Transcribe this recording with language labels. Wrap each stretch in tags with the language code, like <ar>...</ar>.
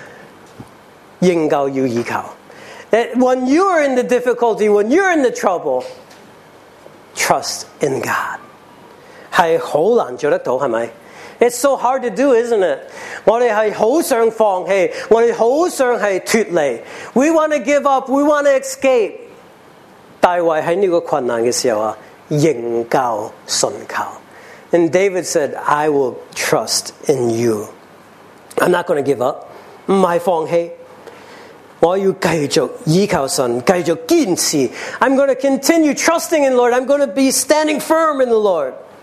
<zh>在困难痛苦当中，仍旧要依靠。</zh> <en>That when you are in the difficulty, when you're in the trouble, trust in God.</en> <zh>是很难做得到，是吗？</zh> <en>It's so hard to do, isn't it?</en> <zh>我们是很想放弃，我们很想脱离。</zh> <en>We want to give up, we want to escape.</en> <zh>大卫在这个困难的时候，仍旧信靠。</zh> <en>And David said, I will trust in you. I'm not going to give up.</en> <zh>不是放弃。</zh> <en>I'm going to continue trusting in the Lord. I'm going to be standing firm in the Lord.</en>